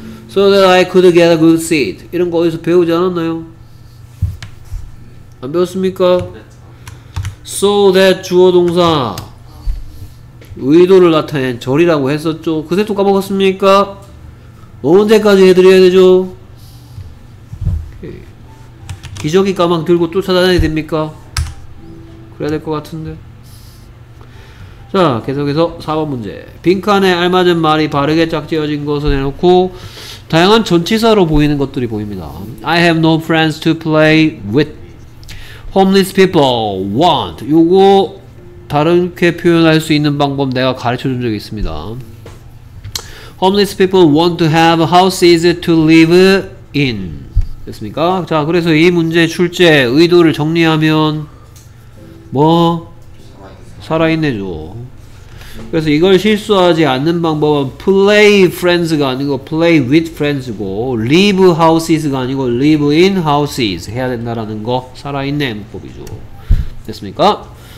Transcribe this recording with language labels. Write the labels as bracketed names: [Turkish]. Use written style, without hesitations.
[English] So that I could get a good seat. [Korean] 이런 거 어디서 배우지 않았나요? 안 배웠습니까? So that 주어 동사 의도를 나타낸 절이라고 했었죠. 그새 또 까먹었습니까? 언제까지 해드려야 되죠? 기저귀 가방 들고 쫓아다녀야 됩니까? 그래야 될 것 같은데. 자, 계속해서 4번 문제. 빈칸에 알맞은 말이 바르게 짝지어진 것을 해놓고 다양한 전치사로 보이는 것들이 보입니다. [English] I have no friends to play with. Homeless people want. [Korean] 요거 다르게 표현할 수 있는 방법 내가 가르쳐준 적이 있습니다. [English] Homeless people want to have houses to live in. [Korean] 됐습니까? 자, 그래서 이 문제 출제 의도를 정리하면 뭐? 살아있네죠. 그래서 이걸 실수하지 않는 방법은 play friends가 아니고 play with friends고 live houses가 아니고 live in houses 해야 된다라는 거 살아있네 문법이죠. 됐습니까?